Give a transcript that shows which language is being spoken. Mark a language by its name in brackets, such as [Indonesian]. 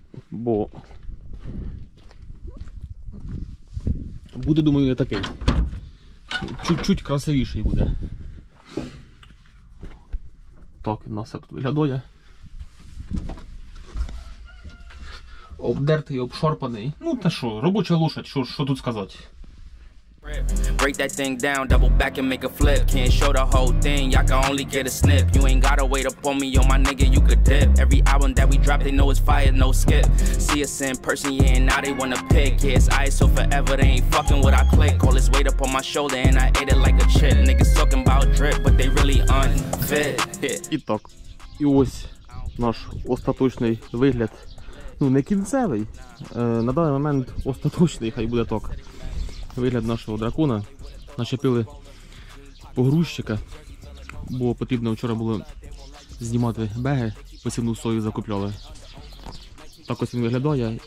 [Ukrainian] Бо буде, думаю, такий. Чуть-чуть красивіший буде. Так, у нас як тут виглядає. Обдертий, обшарпаний. Ну та що, робоча лошадь, що тут сказати? [English] Break that thing down, double back and make a flip. Can't show the whole thing, y'all can only get a snip. You ain't gotta wait up on me, yo, my nigga, you could dip. Every album that we drop, they know it's fire, no skip. See us in person, yeah, and now they wanna pick. Yeah, it's ice, so forever, they ain't fucking what I click. All this weight up on my shoulder, and I ate it like a chip. Niggas talking about drip, but they really unfit. [Ukrainian] Итак, і ось наш остаточний вигляд. Ну, не кінцевий. На даний момент остаточний, хай буде так. Вигляд нашого дракона. Начепили погрузчика, бо потрібно вчора було знімати беги, посівну сою закупляли. Так ось він виглядає.